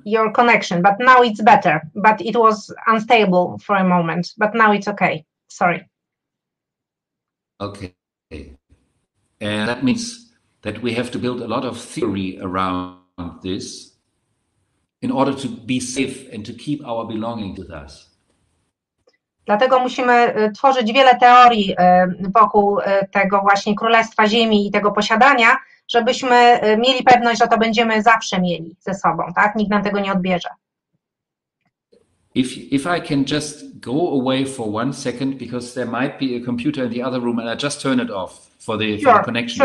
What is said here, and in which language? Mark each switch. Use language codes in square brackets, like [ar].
[en] Your connection, but now it's better. But it was unstable for a moment, but now it's okay. Sorry. Okay. And that means that we have to build a lot of theory around this in order to be safe and to keep our belongings with us. [pl] Dlatego musimy tworzyć wiele teorii wokół tego właśnie Królestwa Ziemi i tego posiadania, żebyśmy mieli pewność, że to będziemy zawsze mieli ze sobą, tak? Nikt nam tego nie odbierze. [en] If I can just go away for one second, because there might be a computer in the other room and I just turn it off for the connection.